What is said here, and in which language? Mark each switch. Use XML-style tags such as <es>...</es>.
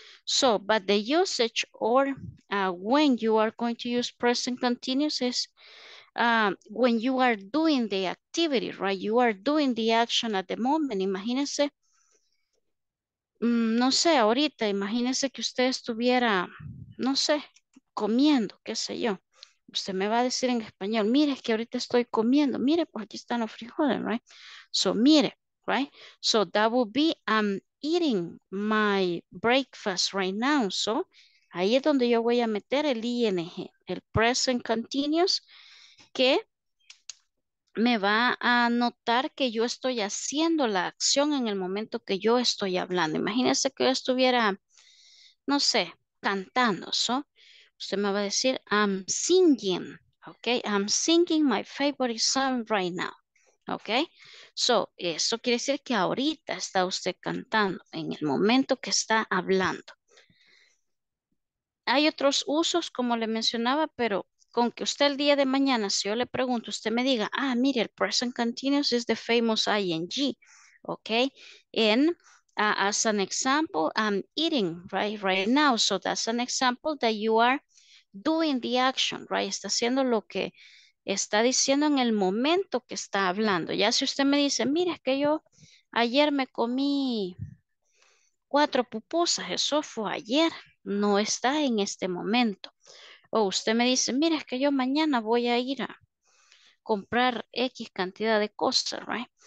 <en>So, but the usage or when you are going to use present continuous is when you are doing the activity, right? You are doing the action at the moment.</en> <es>Imagínese, no sé, ahorita, imagínese que usted estuviera, no sé, comiendo, qué sé yo. Usted me va a decir en español, mire, es que ahorita estoy comiendo. Mire, pues aquí están los frijoles, right? So, mire, right?</es> <en>So, that would be, I'm eating my breakfast right now.</en> <es>So, ahí es donde yo voy a meter el ING, el present continuous, que me va a notar que yo estoy haciendo la acción en el momento que yo estoy hablando. Imagínese que yo estuviera, no sé, cantando, so.</es> <en>Usted me va a decir, I'm singing, okay? I'm singing my favorite song right now, okay?</en> <es>So, eso quiere decir que ahorita está usted cantando, en el momento que está hablando. Hay otros usos, como le mencionaba, pero con que usted el día de mañana, si yo le pregunto, usted me diga, ah, mire, el</es> <en>present continuous is the famous ING, okay? And as an example, I'm eating right now. So that's an example that you are doing the action, right?</en> <es>Está haciendo lo que está diciendo en el momento que está hablando. Ya si usted me dice, mira, es que yo ayer me comí 4 pupusas. Eso fue ayer. No está en este momento. O usted me dice, mira, es que yo mañana voy a ir a comprar X cantidad de cosas, right?</es>